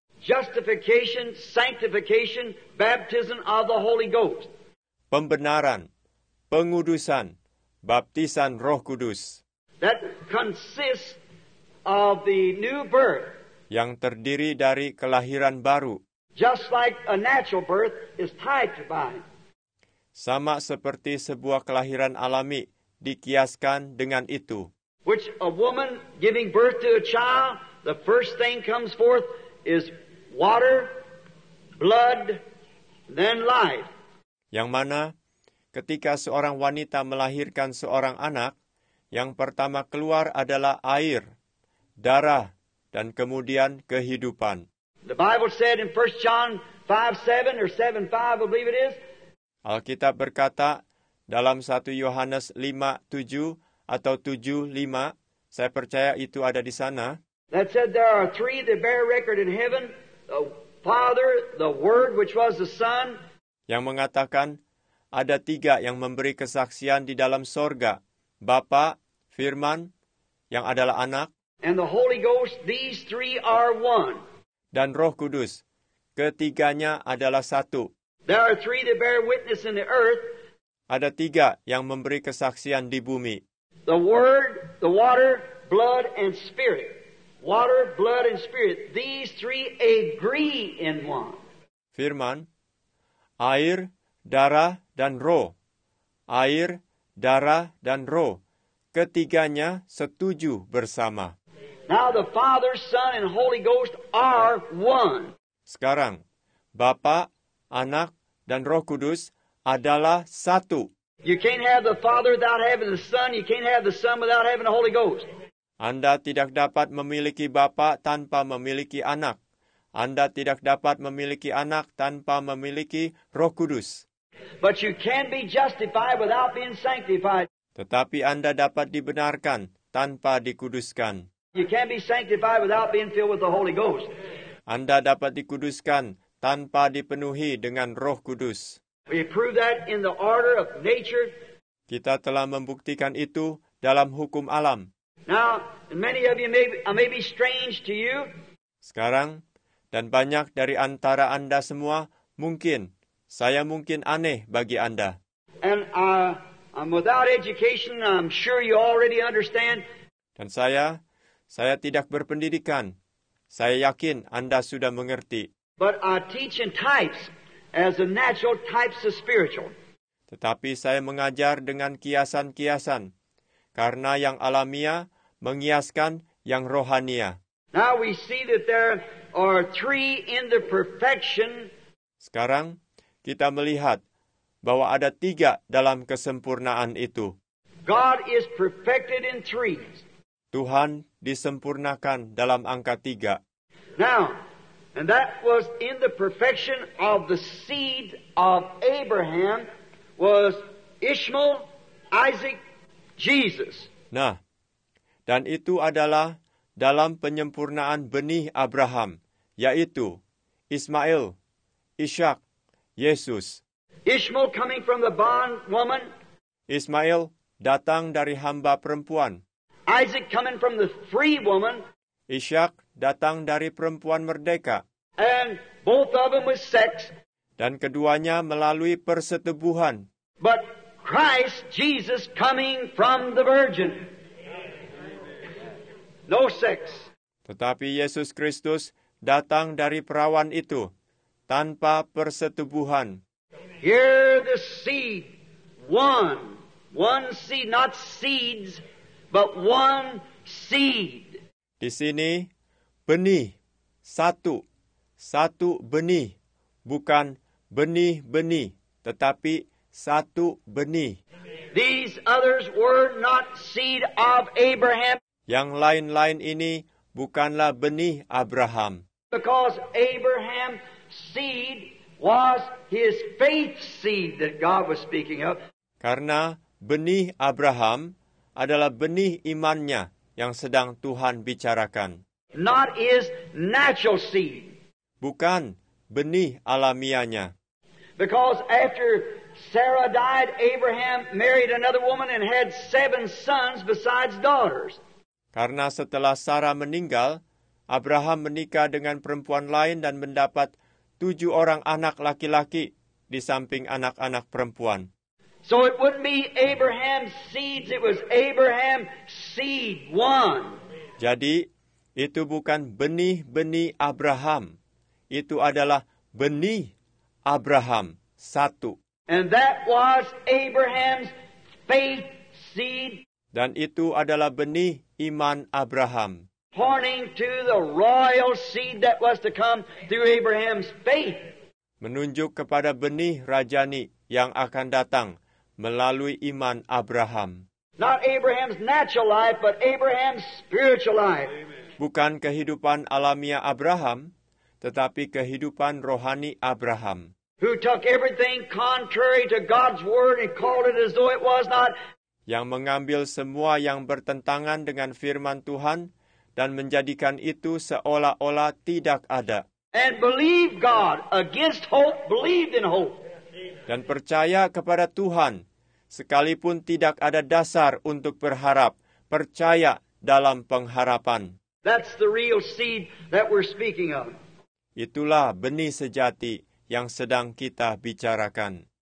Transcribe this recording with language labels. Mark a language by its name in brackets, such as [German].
[English] Justification, sanctification, baptism of the Holy Ghost. [Indonesian] Pembenaran, pengudusan, baptisan Roh Kudus. [English] That consists of the new birth. [Indonesian] Yang terdiri dari kelahiran baru. [English] Just like a natural birth is tied to mine. [Indonesian] Sama seperti sebuah kelahiran alami dikiaskan dengan itu. [English] Which a woman giving birth to a child, the first thing comes forth is water, blood, then life. [Indonesian] Yang mana ketika seorang wanita melahirkan seorang anak, yang pertama keluar adalah air, darah, dan kemudian kehidupan. [English] The Bible said in 1 John 5:7 or 7:5, I believe it is. [Indonesian] Alkitab berkata dalam 1 Yohanes 5:7 atau 7:5, saya percaya itu ada di sana. [English] That said there are three that bear record in heaven, the Father, the Word which was the Son. [Indonesian] Yang mengatakan ada tiga yang memberi kesaksian di dalam sorga, Bapa, Firman yang adalah Anak, [English] and the Holy Ghost, these three are one. [Indonesian] Dan Roh Kudus, ketiganya adalah satu. [English] There are three that bear witness in the earth. [Indonesian] Ada tiga yang memberi kesaksian di bumi. [English] The Word, the water, blood, and spirit. Water, blood, and spirit. These three agree in one. [Indonesian] Firman, air, darah, dan roh. Air, darah, dan roh. Ketiganya setuju bersama. [English] Now the Father, Son, and Holy Ghost are one. [Indonesian] Sekarang, Bapa, Anak, dan Roh Kudus adalah satu. [English] You can't have the Father without having the Son. You can't have the Son without having the Holy Ghost. [Indonesian] Anda tidak dapat memiliki Bapa tanpa memiliki Anak. Anda tidak dapat memiliki Anak tanpa memiliki Roh Kudus. [English] But you can be justified without being sanctified. [Indonesian] Tetapi Anda dapat dibenarkan tanpa dikuduskan. [English] You can't be sanctified without being filled with the Holy Ghost. [Indonesian] Anda dapat dikuduskan tanpa dipenuhi dengan Roh Kudus. [English] We prove that in the order of nature. [Indonesian] Kita telah membuktikan itu dalam hukum alam. [English] Now, many of you may be strange to you. [Indonesian] Sekarang, dan banyak dari antara Anda semua, mungkin, saya mungkin aneh bagi Anda. [English] And I'm without education, I'm sure you already understand. [Indonesian] Dan saya tidak berpendidikan. Saya yakin Anda sudah mengerti. [English] But I teach in types, as the natural types of spiritual. [Indonesian] Tetapi saya mengajar dengan kiasan-kiasan. Karena yang alamiah mengiaskan yang rohania. [English] Now we see that there are three in the perfection. [Indonesian] Sekarang kita melihat bahwa ada tiga dalam kesempurnaan itu. [English] God is perfected in three. [Indonesian] Tuhan disempurnakan dalam angka tiga. [English] Now, and that was in the perfection of the seed of Abraham was Ishmael, Isaac, Jesus. [Indonesian] Nah, dan itu adalah dalam penyempurnaan benih Abraham, yaitu Ismail, Ishak, Yesus. [English] Ishmael coming from the bond woman. [Indonesian] Ismail datang dari hamba perempuan. [English] Isaac coming from the free woman. [Indonesian] Ishak datang dari perempuan merdeka. [English] And both of them with sex. [Indonesian] Dan keduanya melalui persetubuhan. [English] But Christ Jesus coming from the virgin. No sex. [Indonesian] Tetapi Yesus Kristus datang dari perawan itu tanpa persetubuhan. [English] Here the seed, one seed, not seeds, but one seed. [Indonesian] Di sini benih satu benih, bukan benih-benih, tetapi satu benih. [English] These others were not seed of Abraham. [Indonesian] Yang lain-lain ini bukanlah benih Abraham. [English] Because Abraham's seed was his faith seed that God was speaking of. [Indonesian] Karena benih Abraham adalah benih imannya yang sedang Tuhan bicarakan. [English] Not his natural seed. [Indonesian] Bukan benih alamianya. [English] Because after Sarah died, Abraham married another woman and had 7 sons besides daughters. [Indonesian] Karena setelah Sarah meninggal, Abraham menikah dengan perempuan lain dan mendapat 7 orang anak laki-laki di samping anak-anak perempuan. [English] So it wouldn't be Abraham's seeds, it was Abraham's seed, one. [Indonesian] Jadi, itu bukan benih-benih Abraham. Itu adalah benih Abraham, satu. [English] And that was Abraham's faith seed. [Indonesian] Dan itu adalah benih iman Abraham. [English] Pointing to the royal seed that was to come through Abraham's faith. [Indonesian] Menunjuk kepada benih rajani yang akan datang melalui iman Abraham. [English] Not Abraham's natural life, but Abraham's spiritual life. [Indonesian] Bukan kehidupan alamiah Abraham, tetapi kehidupan rohani Abraham. [English] Who took everything contrary to God's word and called it as though it was not. [Indonesian] Yang mengambil semua yang bertentangan dengan firman Tuhan dan menjadikan itu seolah-olah tidak ada. [English] And believe God against hope, believed in hope. [Indonesian] Dan percaya kepada Tuhan, sekalipun tidak ada dasar untuk berharap, percaya dalam pengharapan. [English] That's the real seed that we're speaking of. [Indonesian] Itulah benih sejati yang sedang kita bicarakan.